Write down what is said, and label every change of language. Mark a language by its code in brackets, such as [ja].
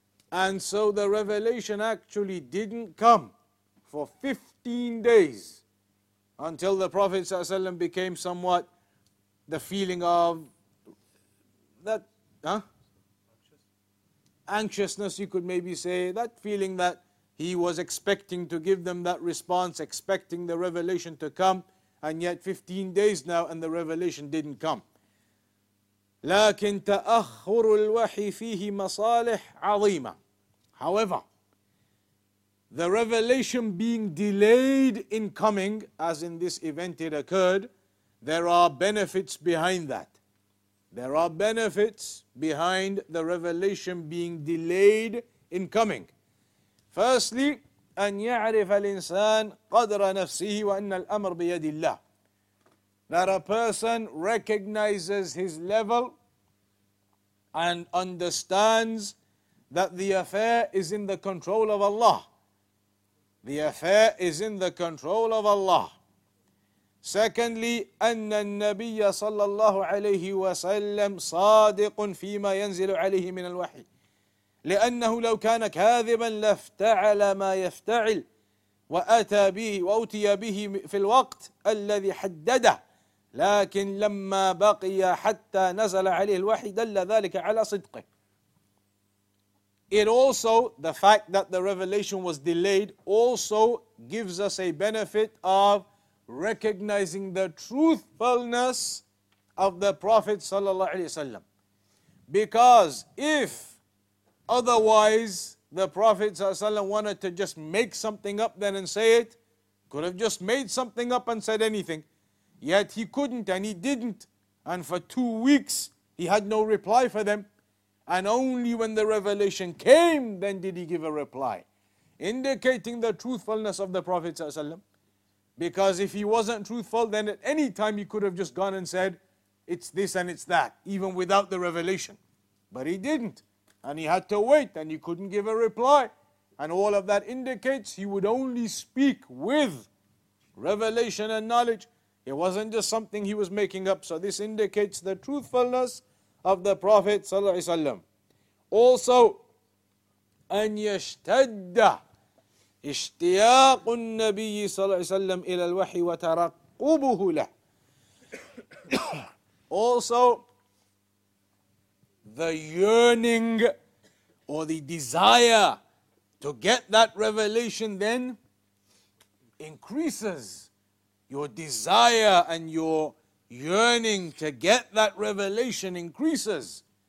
[en] And so the revelation actually didn't come for 15 days until the Prophet Sallallahu Alaihi Wasallam became somewhat the feeling of that, anxiousness, you could maybe say, that feeling that he was expecting to give them that response, expecting the revelation to come, and yet 15 days now and the revelation didn't come. [ar] لكن تأخر الوحي فيه مصالح عظيمة. [en] However, the revelation being delayed in coming, as in this event it occurred, there are benefits behind that. There are benefits behind the revelation being delayed in coming. Firstly, [ar] أن يعرف الإنسان قدر نفسه وأن الأمر بيد الله. [en] That a person recognizes his level and understands that the affair is in the control of Allah. The affair is in the control of Allah. Secondly, [ar] أن النبي صلى الله عليه وسلم صادق فيما ينزل عليه من الوحي. لأنه لو كان كاذبا لافتعل ما يفتعل وأتى به وأتي به في الوقت الذي حدده لكن لما بقي حتى نزل عليه الوحي دل ذلك على صدقه. [en] It also, the fact that the revelation was delayed also gives us a benefit of recognizing the truthfulness of the Prophet صلى الله عليه وسلم. Because if otherwise, the Prophet ﷺ wanted to just make something up then and say it. Could have just made something up and said anything. Yet he couldn't and he didn't. And for 2 weeks, he had no reply for them. And only when the revelation came, then did he give a reply. Indicating the truthfulness of the Prophet ﷺ. Because if he wasn't truthful, then at any time he could have just gone and said, it's this and it's that, even without the revelation. But he didn't. And he had to wait, and he couldn't give a reply. And all of that indicates he would only speak with revelation and knowledge. It wasn't just something he was making up. So this indicates the truthfulness of the Prophet sallallahu alaihi wasallam. Also, [ar] أن يشتد اشتياق النبي صلى الله عليه وسلم إلى الوحي وترقبه له. [en] Also, the yearning or the desire to get that revelation then increases. Your desire and your yearning to get that revelation increases.